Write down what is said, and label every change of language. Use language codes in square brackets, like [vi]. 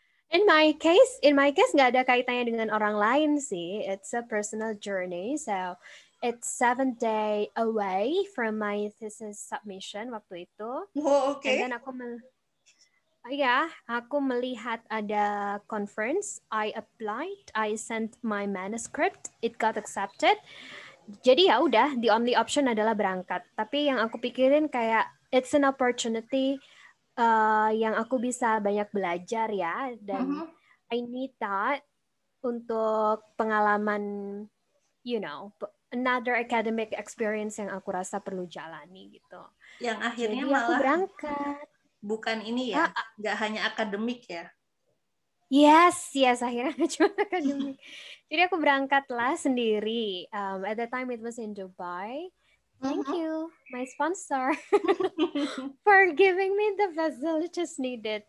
[en] In my case, [id] nggak ada kaitannya dengan orang lain sih. [en] It's a personal journey. So, it's 7 days away from my thesis submission [id] waktu itu. [en] Oh, okay. And then [id] aku melihat ada [en] conference. I applied. I sent my manuscript. It got accepted. [id] Jadi ya udah, [en] the only option [id] adalah berangkat. Tapi yang aku pikirin kayak [en] it's an opportunity [id] yang aku bisa banyak belajar ya, dan uh-huh. [en] I need that [id] untuk pengalaman, [en] you know, another academic experience [id] yang aku rasa perlu jalani gitu. Yang akhirnya jadi malah aku berangkat. Bukan ini ya, nggak hanya akademik ya. Yes, akhirnya cuma akademik. Jadi aku berangkatlah sendiri. [en] At the time it was in Dubai. Thank you, my sponsor, for giving me the facilities needed.